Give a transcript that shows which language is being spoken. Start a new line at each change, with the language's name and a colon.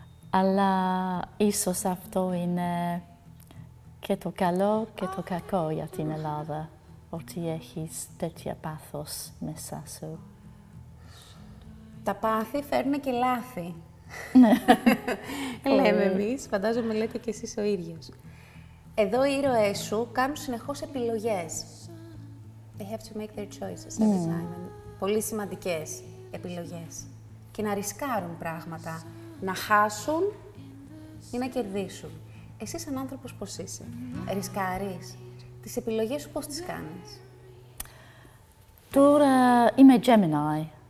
Greek: Αλλά ίσως αυτό είναι και το καλό και το κακό για την Ελλάδα, ότι έχεις τέτοια πάθος μέσα σου. Τα πάθη φέρνουν και λάθη. Ναι. Λέμε εμείς, φαντάζομαι λέτε και εσείς ο ίδιος. Εδώ οι ήρωές σου κάνουν συνεχώς επιλογές.
English: They have to make their choices every time.
Greek: Πολύ σημαντικές επιλογές. Και να ρισκάρουν πράγματα. Να χάσουν ή να κερδίσουν. Εσύ σαν άνθρωπος πώς είσαι. Ρισκάρεις. Τις επιλογές σου πώς τις κάνεις. Τώρα είμαι Gemini.